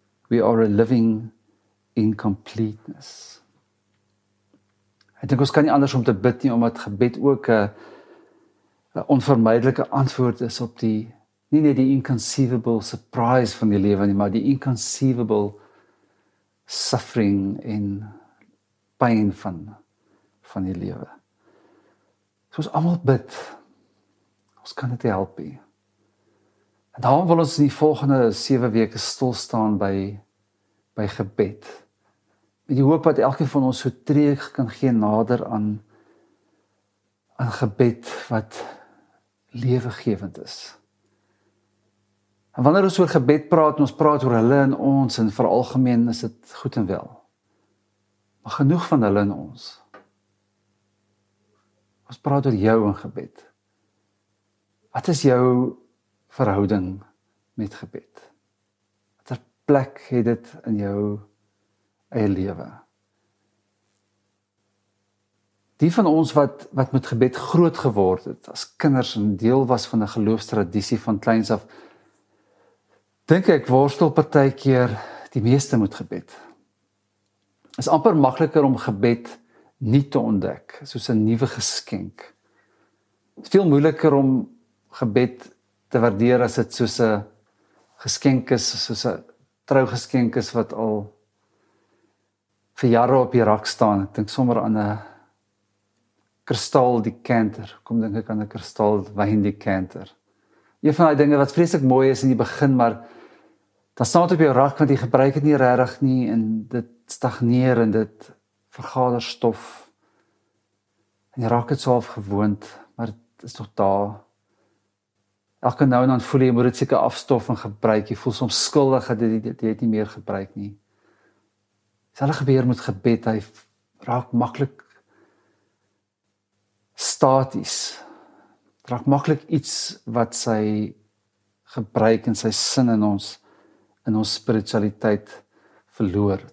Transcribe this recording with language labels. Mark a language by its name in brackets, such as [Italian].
[English] We are a living incompleteness." [Afrikaans] Ek dink ons kan nie anders om te bid nie, omdat gebed ook 'n onvermydelike antwoord is op die, nie net die [English] inconceivable surprise [Afrikaans] van die lewe nie, maar die [English] inconceivable suffering [Afrikaans] en pyn van die lewe. So ons almal bid, ons kan dit help nie. En daarom wil ons in die volgende 7 weke stilstaan by gebed. Met die hoop dat elke van ons so treek kan gee nader aan gebed wat lewegewend is. En wanneer ons oor gebed praat, en ons praat oor hulle en ons, en vir algemeen is dit goed en wel. Maar genoeg van hulle en ons. Ons praat oor jou en gebed. Wat is jou verhouding met gebed? Watter plek het dit in jou eie lewe? Die van ons wat met gebed groot geword het, as kinders en deel was van 'n geloofstradisie van kleins af, dink ek worstel partykeer die meeste met gebed. Is amper makliker om gebed nie te ontdek, soos 'n nuwe geskenk. Is veel moeiliker om gebed te waardeer as dit soos 'n geskenk is, soos 'n trougeskenk is wat al vir jare op die rak staan. Ek dink sommer aan 'n kristaldekanter. Kom dink ek aan 'n kristalwyndekanter. Een van daai dinge wat vreeslik mooi is in die begin, maar dan staan dit op jou rak want jy gebruik dit nie regtig nie en dit stagneer en dit vergader stof. En jy raak dit so half gewoond, maar dit is tog daar. Elke nou en dan voel jy, moet dit seker afstof en gebruik. Jy voel soms skuldig dat jy het nie meer gebruik nie. Selfe gebeur met gebed, hy raak maklik staties. Raak maklik iets wat sy gebruik en sy sin in ons spiritualiteit verloor.